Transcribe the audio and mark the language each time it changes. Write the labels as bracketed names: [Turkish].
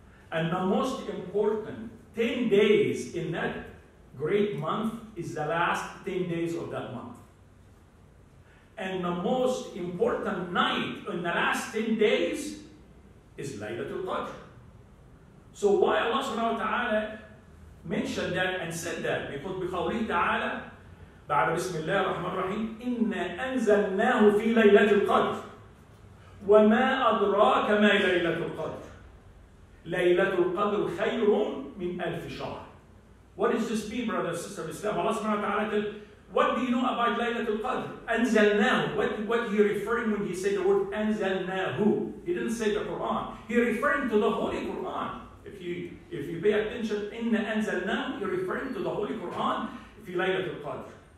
[English] And the most important 10 days in that great month is the last 10 days of that month. And the most important night in the last 10 days is Laylatul Qadr. So why Allah subhanahu wa ta'ala mentioned that and said that? Because [Arabic] بِقَوْلِهِ تَعَالَى بعد بسم الله الرحمن الرحيم إِنَّا أَنزَلْنَاهُ فِي لَيْلَةِ الْقَدْرِ وما أدراك ما ليلة القدر. ليلة القدر خير من ألف شهر. [English] What does this mean, brother and sister of Islam? Allah subhanahu wa ta'ala tell, what do you know about [Arabic] ليلة القدر? أنزلناه. [English] What he referring when he said the word أنزلناه? He didn't say the Quran. He referring to the Holy Quran. If you pay attention, إن أنزلناه, he referring to the Holy Quran [Arabic] في ليلة القدر.